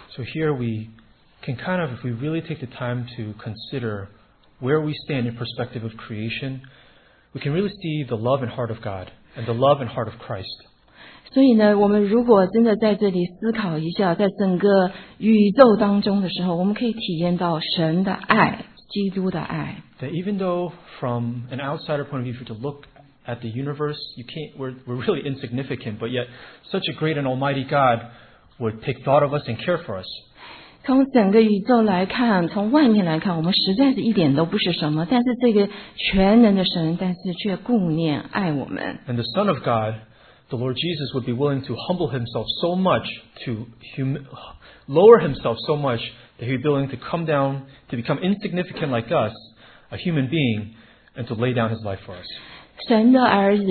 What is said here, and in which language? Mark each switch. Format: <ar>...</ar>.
<en>So here we can kind of, if we really take the time to consider where we stand in perspective of creation, we can really see the love and heart of God and the love and heart of Christ.</en> <zh>所以呢，我们如果真的在这里思考一下，在整个宇宙当中的时候，我们可以体验到神的爱，基督的爱。</zh> <en>That even though from an outsider point of view, if you were to look at the universe, we're really insignificant, but yet such a great and almighty God would take thought of us and care for us.</en> <zh>从整个宇宙来看，从外面来看，我们实在是一点都不是什么。但是这个全能的神，但是却顾念爱我们。</zh> <en>And the Son of God, the Lord Jesus, would be willing to humble himself so much, to lower himself so much, that he'd be willing to come down, to become insignificant like us, a human being, and to lay down his life for us.</en>